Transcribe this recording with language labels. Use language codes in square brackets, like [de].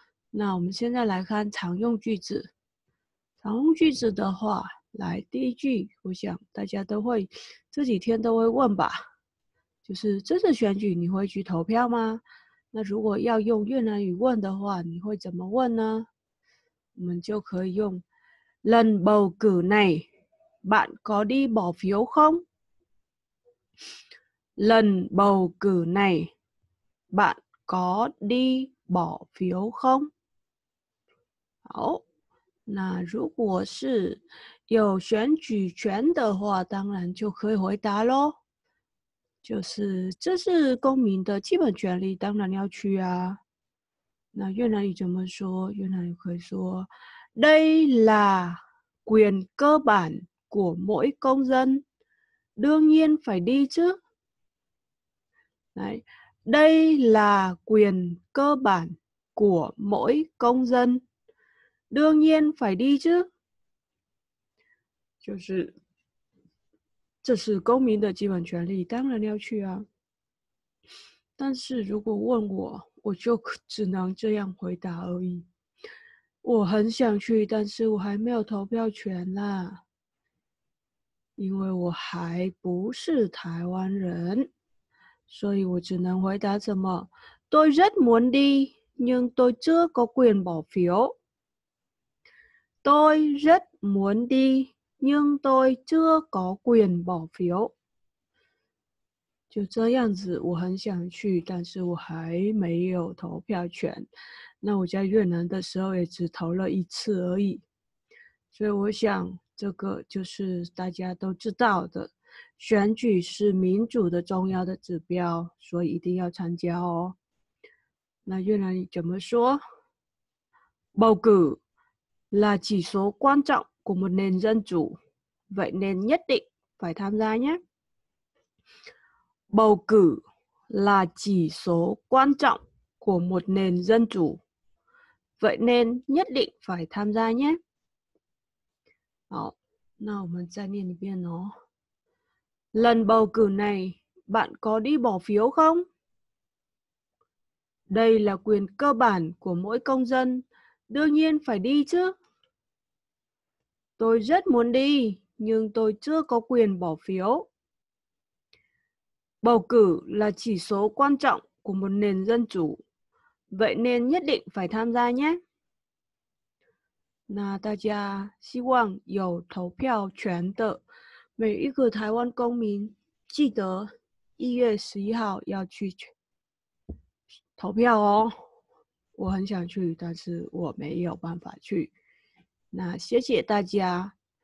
[zh] 那我们现在来看常用句子。常用句子的话，来，第一句，我想大家都会，这几天都会问吧，就是这次选举你会去投票吗？那如果要用越南语问的话，你会怎么问呢？我们就可以用 [vi] Lần bầu cử này, bạn có đi bỏ phiếu không? Lần bầu cử này, bạn có đi bỏ phiếu không? [zh] 好，那如果是有选举权的话，当然就可以回答咯。就是这是公民的基本权利，当然要去啊。那越南语怎么说？越南语可以说 [vi] Đây là quyền cơ bản của mỗi công dân, đương nhiên phải đi chứ. Đấy, đây là quyền cơ bản của mỗi công dân, đương nhiên phải đi chứ. [zh] 就是这是公民的基本权利，当然要去啊。但是如果问我，我就只能这样回答而已。我很想去，但是我还没有投票权啦，因为我还不是台湾人，所以我只能回答什么 ？ [vi] Tôi rất muốn đi, nhưng tôi chưa có quyền bỏ phiếu. Tôi rất muốn đi. nhưng tôi chưa có quyền bỏ phiếu. [zh] 就这样子，我很想去，但是我还没有投票权。那我在越南的时候也只投了一次而已。所以我想，这个就是大家都知道的，选举是民主的重要的指标，所以一定要参加哦。那越南怎么说？ [vi] Bầu cử là chỉ số quan trọng của một nền dân chủ. Vậy nên nhất định phải tham gia nhé. Bầu cử là chỉ số quan trọng của một nền dân chủ. Vậy nên nhất định phải tham gia nhé. 好，那我们再念一遍哦。 Lần bầu cử này, bạn có đi bỏ phiếu không? Đây là quyền cơ bản của mỗi công dân. Đương nhiên phải đi chứ. Tôi rất muốn đi. nhưng tôi chưa có quyền bỏ phiếu. Bầu cử là chỉ số quan trọng của một nền dân chủ, vậy nên nhất định phải tham gia nhé. [zh] 那大家希望有投票权的每一个台湾公民，记得1月11号要去投票哦。我很想去，但是我没有办法去。那谢谢大家。